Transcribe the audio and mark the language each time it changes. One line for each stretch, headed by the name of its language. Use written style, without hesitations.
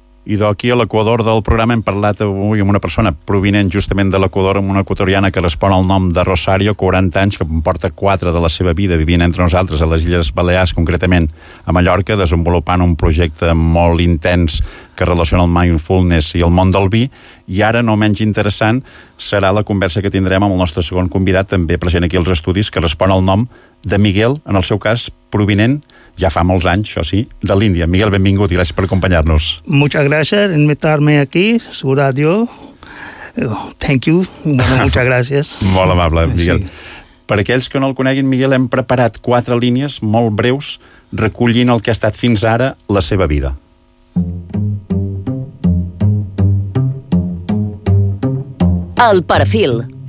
Catalan: Idò, aquí a l'Equador del programa hem parlat avui amb una persona provinent justament de l'Equador, amb una equatoriana que respon al nom de Rosario, 40 anys, que porta 4 de la seva vida vivint entre nosaltres a les Illes Balears, concretament a Mallorca, desenvolupant un projecte molt intens que relaciona el mindfulness i el món del vi. I ara, no menys interessant, serà la conversa que tindrem amb el nostre segon convidat, també present aquí als estudis, que respon al nom de Miguel, en el seu cas provinent, ja fa molts anys, això sí, de l'Índia. Miguel, benvingut i gràcies per acompanyar-nos.
Spanish: Muchas gracias en meterme aquí, su radio.
English: Thank you.
Spanish: Bueno, muchas gracias.
Catalan: Molt amable, Miguel. Sí. Per aquells que no el coneguin, Miguel, hem preparat 4 línies molt breus recollint el que ha estat fins ara la seva vida. El perfil.